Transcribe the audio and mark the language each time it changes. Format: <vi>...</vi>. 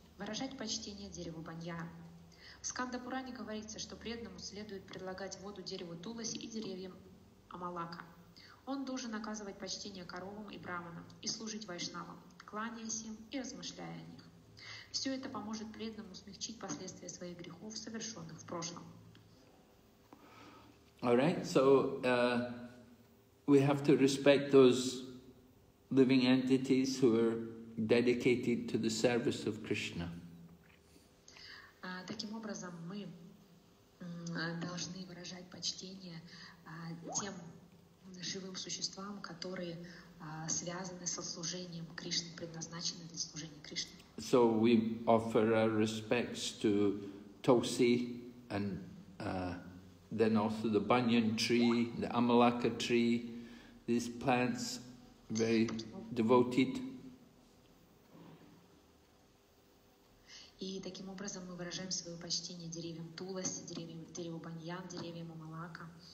<ru>Выражать почтение дереву Банья. В Скандапуране говорится, что преданному следует предлагать воду дереву Туласи и деревьям Амалака. Он должен оказывать почтение коровам и браманам и служить вайшнавам, кланяясь им и размышляя о них. Все это поможет преданному смягчить последствия своих грехов, совершенных в прошлом.</ru> <en>All right, so we have to respect those living entities who are dedicated to the service of Krishna.</en> <ru>Таким образом, мы должны выражать почтение тем живым существам, которые связаны со служением Кришны, предназначены для служения Кришны.</ru> <en>So we offer our respects to Tulsi and then also the banyan tree, the amalaka tree, these plants, very devoted.</en> <ru>И таким образом мы выражаем свое почтение деревьям Туласи, деревьям Баньян, деревьям Амалака.</ru>